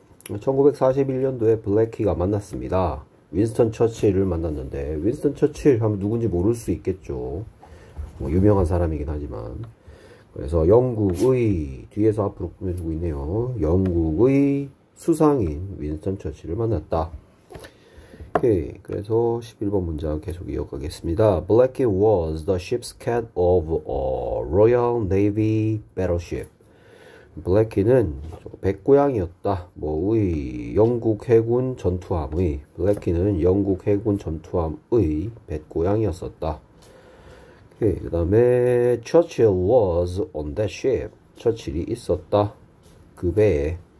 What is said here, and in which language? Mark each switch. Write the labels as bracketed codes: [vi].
[ko] 1941년도에 블래키가 만났습니다. 윈스턴 처칠을 만났는데, 윈스턴 처칠 하면 누군지 모를 수 있겠죠. 뭐 유명한 사람이긴 하지만. 그래서 영국의, 뒤에서 앞으로 꾸며주고 있네요. 영국의 수상인 윈스턴 처칠을 만났다. 오케이. 그래서 11번 문장 계속 이어가겠습니다. [en] Blackie was the ship's cat of a Royal Navy battleship. [ko] Blackie는 백고양이였다. 뭐의 영국 해군 전투함의. Blackie는 영국 해군 전투함의 백고양이었었다. 오케이. 그 다음에 [en] Churchill was on that ship. [ko] 처칠이 있었다. 그 배에.